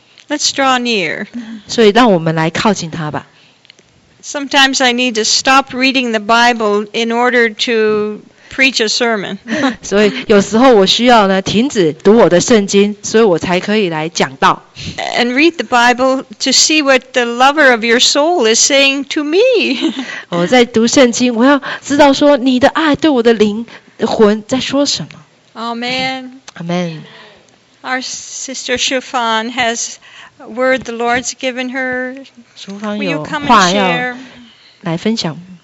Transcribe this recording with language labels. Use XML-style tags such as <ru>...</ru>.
<en>Let's draw near.</en> <zh>所以让我们来靠近他吧。</zh> <en>Sometimes I need to stop reading the Bible in order to preach a sermon.</en> <zh>所以有时候我需要呢停止读我的圣经，所以我才可以来讲道。</zh> <en>And read the Bible to see what the lover of your soul is saying to me.</en> <zh>我在读圣经，我要知道说你的爱对我的灵魂在说什么。</zh> <en>Amen. Amen. Our sister Chiffon has. Word the Lord's given her. Will you come and share?</en> <zh>来分享。</zh>